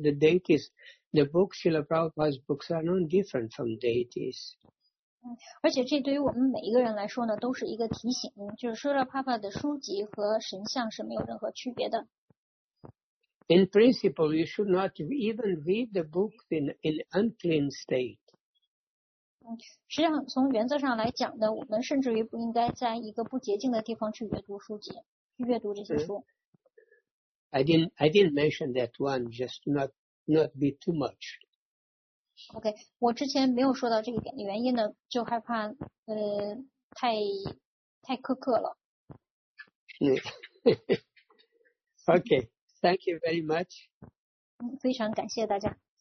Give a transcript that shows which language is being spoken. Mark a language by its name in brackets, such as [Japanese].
[English] The deities, the books, Srila Prabhupada's books are not different from deities. [Chinese] 而且这对于我们每一个人来说呢，都是一个提醒，就是Srila Prabhupada的书籍和神像是没有任何区别的。 [English] In principle, you should not even read the books in an unclean state. [Chinese] 实际上，从原则上来讲呢，我们甚至于不应该在一个不洁净的地方去阅读书籍，去阅读这些书。 [English] I didn't mention that one, just not be too much. [Chinese] OK, 我之前没有说到这一点的原因呢，就害怕太苛刻了。 [English] OK, thank you very much. [Chinese] 非常感谢大家。